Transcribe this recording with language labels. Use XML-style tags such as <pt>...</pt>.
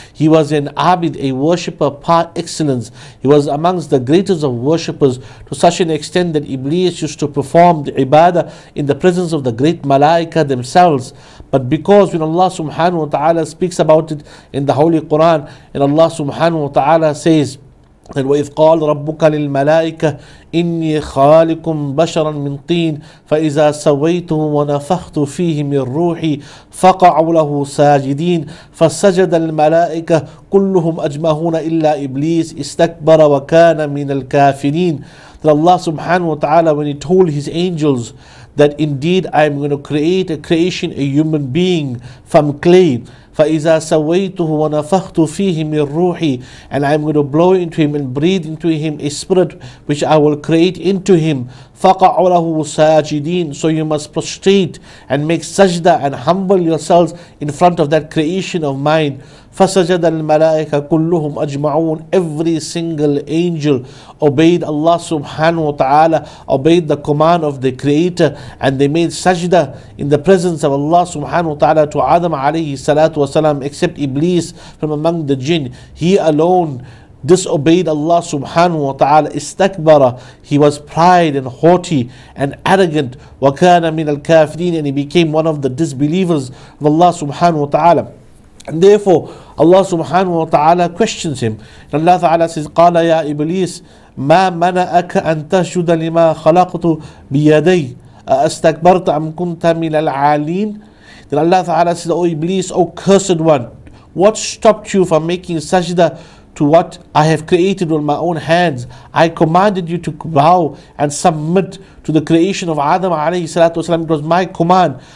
<en>He was an abid, a worshipper par excellence. He was amongst the greatest of worshippers to such an extent that Iblis used to perform the ibadah in the presence of the great malaika themselves. But because when Allah subhanahu wa ta'ala speaks about it in the Holy Quran, Quran, and Allah subhanahu wa ta'ala says that</en> <ar>وَإِذْ قَالَ رَبُّكَ لِلْمَلَائِكَةِ إِنِّي خَالِقٌ بَشَرًا مِنْ طِينٍ فَإِذَا سَوَّيْتُهُ وَنَفَخْتُ فِيهِ مِنْ رُوحِي فَقَعُوا لَهُ سَاجِدِينَ فَسَجَدَ الْمَلَائِكَةُ كُلُّهُمْ أَجْمَعُونَ إِلَّا إِبْلِيسَ اسْتَكْبَرَ وَكَانَ مِنَ الْكَافِرِينَ.</ar> <en>That Allah subhanahu wa ta'ala, when He told His angels that indeed I am going to create a creation, a human being from clay,</en> <ar>فَإِذَا سَوَّيْتُهُ وَنَفَخْتُ فِيهِ مِنْ رُوحِي,</ar> <en>and I am going to blow into him and breathe into him a spirit which I will create into him,</en> <ar>فَقَعُوا لَهُ سَاجِدِينَ,</ar> <en>so you must prostrate and make sajda and humble yourselves in front of that creation of mine.</en> <ar>فَسَجَدَ الْمَلَائِكَ كُلُّهُمْ أَجْمَعُونَ,</ar> <en>every single angel obeyed Allah subhanahu wa ta'ala, obeyed the command of the Creator, and they made sajda in the presence of Allah subhanahu wa ta'ala to Adam alayhi salatu wa salam, except Iblis from among the jinn. He alone disobeyed Allah subhanahu wa ta'ala. Istakbara, he was pride and haughty and arrogant.</en> <ar>وَكَانَ مِنَ الْكَافِرِينَ,</ar> <en>and he became one of the disbelievers of Allah subhanahu wa ta'ala. And therefore, Allah subhanahu wa ta'ala questions him. And Allah ta'ala says,</en> <ar>قَالَ يَا إِبْلِيسِ مَا مَنَأَكَ أَن تَشْهُدَ لِمَا خَلَقْتُ بِيَدَيْ أَأَسْتَكْبَرْتَ أَمْ كُنْتَ مِنَ الْعَالِينَ.</ar> <en>Then Allah ta'ala says, O Iblis, O cursed one, what stopped you from making sajda to what I have created with my own hands? I commanded you to bow and submit to the creation of Adam alayhi salatu wasalam. It was my command.</en>